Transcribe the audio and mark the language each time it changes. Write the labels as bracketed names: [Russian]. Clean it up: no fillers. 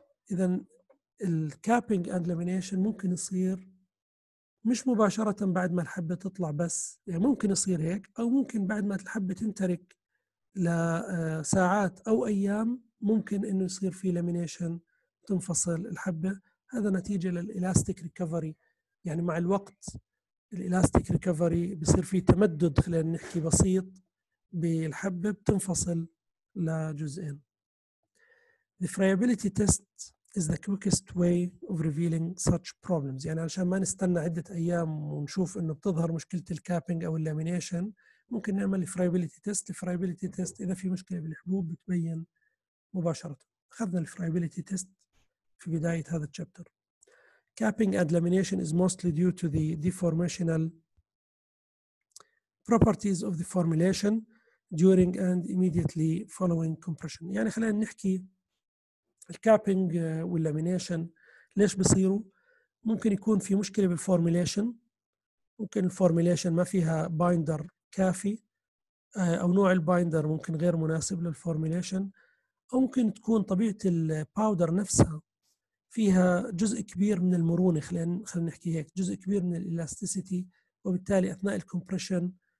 [Arabic] إذا الكابينج and lamination ممكن يصير مش مباشرة بعد ما الحبة تطلع بس، يعني ممكن يصير هيك، أو ممكن بعد ما الحبة تنترك لساعات أو أيام ممكن إنه يصير فيه lamination تنفصل الحبة. هذا نتيجة للإلاستيك ريكفري، يعني مع الوقت الإلاستيك ريكفري بيصير فيه تمدد، خلينا نحكي بسيط، بالحبة بتنفصل لجزئين. [English] The friability test is the quickest way of revealing such problems. [Arabic] يعني علشان ما نستنى عدة أيام ونشوف إنه بتظهر مشكلة الكابينج أو اللامينيشن، ممكن نعمل friability test. Friability test إذا في مشكلة بالحبوب بتبين مباشرة. أخذنا friability test في بداية هذا الشابتر. [English] Capping and lamination is mostly due to the deformational properties of the formulation during and immediately following compression. [Arabic] يعني خلينا نحكي الكابينج واللامينيشن ليش بصيروا. ممكن يكون في مشكلة بالفورميليشن، ممكن الفورميليشن ما فيها بايندر كافي، أو نوع البايندر ممكن غير مناسب للفورميليشن، أو ممكن تكون طبيعة الباودر نفسها فيها جزء كبير من المرونة، خلينا نحكي هيك، جزء كبير من الإلاستيسيتي، وبالتالي أثناء الكمبريشن